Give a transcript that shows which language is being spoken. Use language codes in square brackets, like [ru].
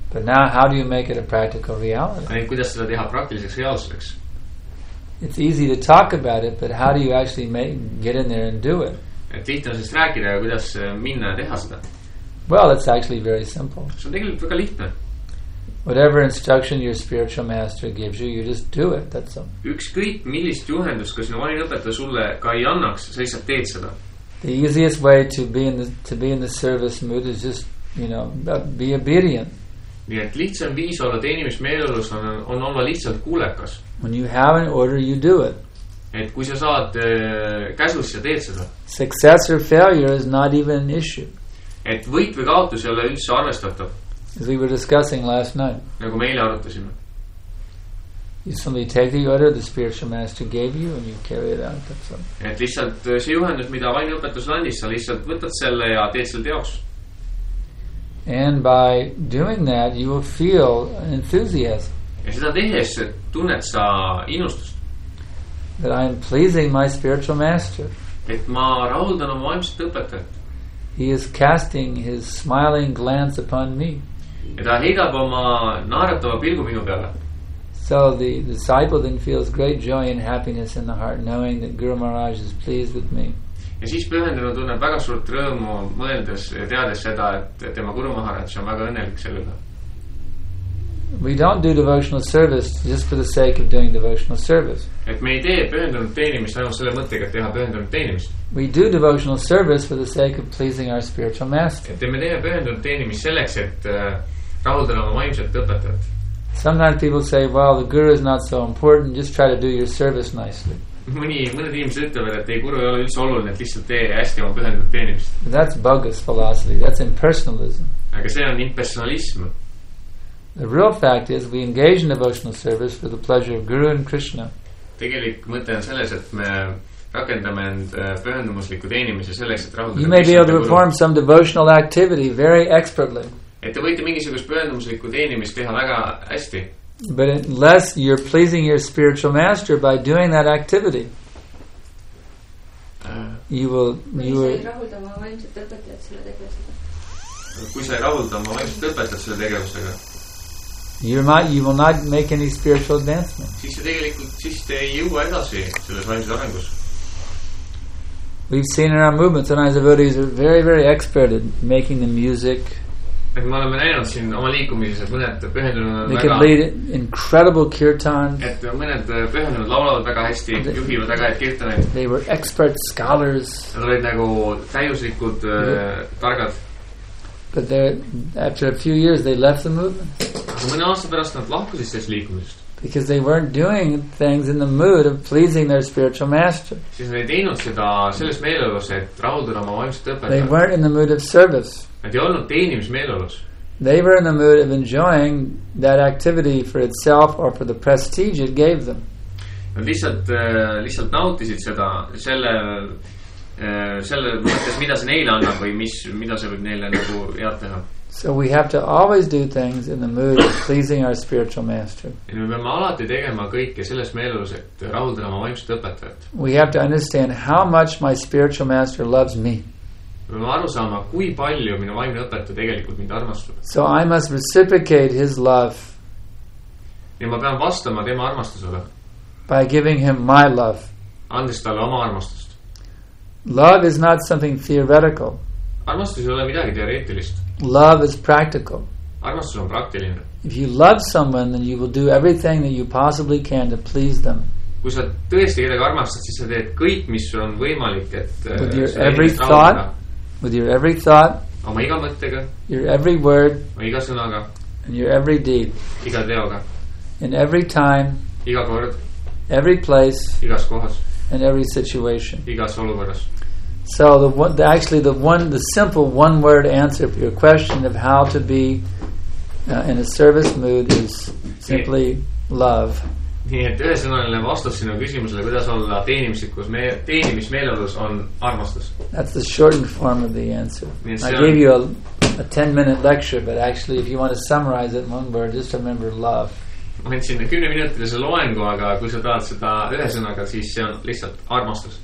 [en] But now, how do you make it a practical reality? [et] Ja kuidas seda teha praktiliseks reaalseks? [en] It's easy to talk about it, but how do you actually get in there and do it? [et] Et lihtne on siis rääkida, aga kuidas minna ja teha seda? [en] Well, it's actually very simple. [et] See on tegelikult väga lihtne. [en] Whatever instruction your spiritual master gives you, you just do it, that's all. [et] Ükskõik millist juhendust, kui sinu vanim õpetaja sulle ka ei annaks, sa lihtsalt teed seda. [en] The easiest way to be in the service mood is just, be obedient. [et] Nii et lihtsam viis olla teenimismeeleolus on olla lihtsalt kuulekas. [en] When you have an order, you do it. [et] Et kui sa saad käsus, sa teed seda. [en] Success or failure is not even an issue. [et] Et võit või kaotus ei ole üldse arvestatav. [en] As we were discussing last night. [et] Nagu me eile arutasime. [en] You simply take the order the spiritual master gave you and you carry it out. That's all. [et] Et lihtsalt see juhendus, mida vain õpetus landis, sa lihtsalt võtad selle ja teed selle teoks. [en] And by doing that, you will feel an enthusiasm. [et] Ja seda tehes, tunned sa innustust. [en] That I am pleasing my spiritual master. [et] Et ma rahuldan oma vaimset õpetajat. [en] He is casting his smiling glance upon me. [et] Ja ta heidab oma naeratava pilgu minu peale. [en] So the disciple then feels great joy and happiness in the heart, knowing that Guru Maharaj is pleased with me. [et] Ja siis pühendunu tunneb väga suurt rõõmu mõeldes ja teades seda, et tema Guru Maharaj on väga õnnelik sellega. [en] We don't do devotional service just for the sake of doing devotional service. [et] Et me ei tee pühendunud teenimist, ainult selle mõttega teha pühendunud teenimist. [en] We do devotional service for the sake of pleasing our spiritual master. [et] Et me teeme pühendunud teenimist selleks, et rahuldada oma vaimset õpetajat. [en] Sometimes people say, well, the guru is not so important, just try to do your service nicely. [et] Mõned inimesed ütlevad, et ei guru ei ole üldse oluline, et lihtsalt tee hästi oma pühendunud teenimist. [en] That's bogus philosophy, that's impersonalism. [et] Aga see on impersonalism. [en] The real fact is we engage in devotional service for the pleasure of Guru and Krishna. [et] Tegelik mõte on selles, et me rakendame end pühendumusliku teenimise selleks, et rahuldada. [en] You may be able to perform some devotional activity very expertly. [et] Et te võite mingisugust pühendumusliku teenimist teha väga hästi. [en] But unless you're pleasing your spiritual master by doing that activity, [et] kui sa ei rahulda oma vaimset õpetajat selle tegevusega, [en] You will not make any spiritual advancement. [et] Siis te ei jõua edasi selles vaimses arengus. [en] We've seen in our movement, sometimes devotees are very, very expert at making the music. [et] Et me oleme näinud siin oma liikumises, et mõned pühendunud väga. [en] They can lead incredible kirtans. [et] Et mõned pühendunud laulavad väga hästi, juhivad väga hästi kirtaneid. [en] They were expert scholars. [et] Nad olid nagu täiuslikud targad. [en] But after a few years, they left the movement. [et] Mõne aasta pärast nad lahkusid sellest liikumisest. [en] Because they weren't doing things in the mood of pleasing their spiritual master. [et] Siis nad ei teinud seda selles meeleolus, et rahuldada oma vaimset õpetajat. [en] They weren't in the mood of service. [et] Nad ei olnud teenimis meeleolus. [en] They were in the mood of enjoying that activity for itself or for the prestige it gave them. [et] Nad lihtsalt nautisid seda selle mõttes, mida see neile annab või mida see võib neile nagu head teha. [en] So we have to always do things in the mood of pleasing our spiritual master. [et] Ja me peame alati tegema kõike selles meeleolus, et rahuldada oma vaimset õpetajat. [en] We have to understand how much my spiritual master loves me. [et] Me peame aru saama, kui palju minu vaimne õpetaja tegelikult mind armastab. [en] So I must reciprocate his love. [et] Ja ma pean vastama tema armastusele. [en] By giving him my love. [et] Andes talle oma armastust. [en] Love is not something theoretical. [et] Armastus ei ole midagi teoreetilist. [en] Love is practical. [et] Armastus on praktiline. [en] If you love someone, then you will do everything that you possibly can to please them. [et] Kui sa tõesti kedagi armastad, siis sa teed kõik, mis on võimalik, et [en] with your every thought, with your every thought, [et] oma iga mõttega, [en] your every word, [et] oma iga sõnaga, [en] and your every deed, [et] iga teoga, [en] in every time, [et] iga kord, [en] every place, [et] igas kohas, [en] and every situation, [et] igas olukorras. [en] So the simple one word answer for your question of how to be in a service mood is simply love. [et] Nii et ühesõnaline vastus sinu küsimusele, kuidas olla teenimislikus teenimismeeleolus on armastus. [en] That's the shortened form of the answer. I gave you a 10-minute lecture, but actually if you want to summarize it in one word, just remember love. [et] Ma andsin 10 minutilise loengu, aga kui sa tahad seda ühesõnaga, siis see on lihtsalt armastus.